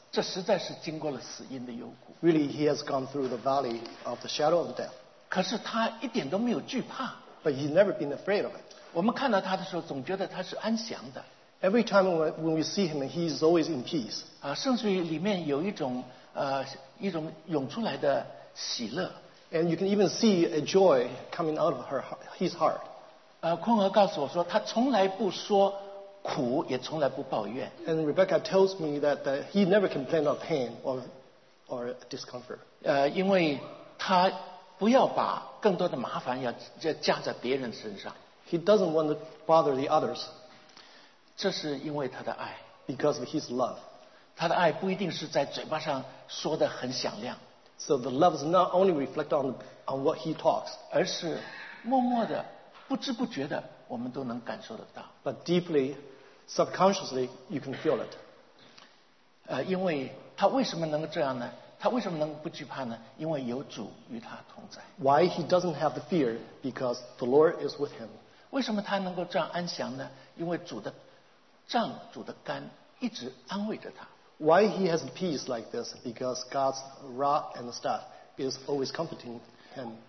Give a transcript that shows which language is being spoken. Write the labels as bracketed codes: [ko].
[zh] 这实在是经过了死荫的幽谷。 [en] Really, he has gone through the valley of the shadow of death. [zh] 可是他一点都没有惧怕。 [en] But he's never been afraid of it. [zh] 我们看到他的时候，总觉得他是安详的。 [en] Every time when we see him, he's always in peace. [zh] 啊，甚至于里面有一种一种涌出来的喜乐。 [en] And you can even see a joy coming out of his heart. [zh] 坤儿告诉我说，他从来不说苦，也从来不抱怨。 [en] And Rebecca tells me that he never complained of pain or discomfort. [zh] 因为他不要把更多的麻烦要加在别人身上。 [en] He doesn't want to bother the others. [zh] 这是因为他的爱。 [en] Because of his love. [zh] 他的爱不一定是在嘴巴上说得很响亮。 [en] So the love is not only reflect on what he talks. [zh] 而是默默的不知不觉的我们都能感受得到。 [en] But deeply, subconsciously, you can feel it. [zh] 因为他为什么能这样呢？他为什么能不惧怕呢？因为有主与他同在。 [en] Why he doesn't have the fear? Because the Lord is with him. [zh] 为什么他能够这样安详呢？因为主的杖、主的竿一直安慰着他。 [en] Why he has peace like this? Because God's rod and staff is always comforting him.